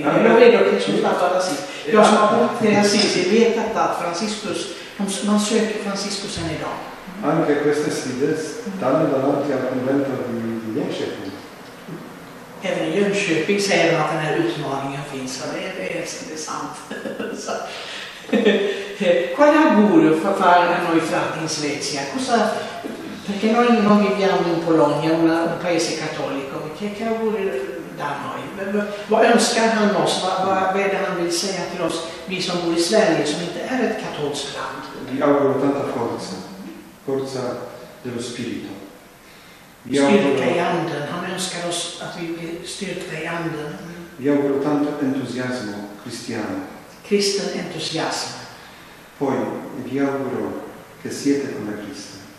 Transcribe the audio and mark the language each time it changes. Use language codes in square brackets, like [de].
[it] Io vedo che sono stato ad Assisi. Io sono appunto in Assisi, vedo che Francesco, non so che Francesco se ne do. Anche queste sfide stanno davanti al convento di Jönköping. [sv] Även i Jönköping säger att den här utmaningen finns, och det är sant. [it] Qual è augurio fare a noi frati in Svezia? Perché noi non viviamo in Polonia, un paese cattolico, che auguri da noi? [sv] Vad önskar han oss? Vad är det han vill säga till oss, vi som bor i Sverige, som inte är ett katolskt land? [it] Vi auguro tanta forza, forza dello spirito. [sv] Styrka i anden, han önskar oss att vi blir styrka i anden. [it] Vi auguro tanto entusiasmo cristiano. [sv] Kristen entusiasm. [it] Poi vi auguro che siete come Cristo.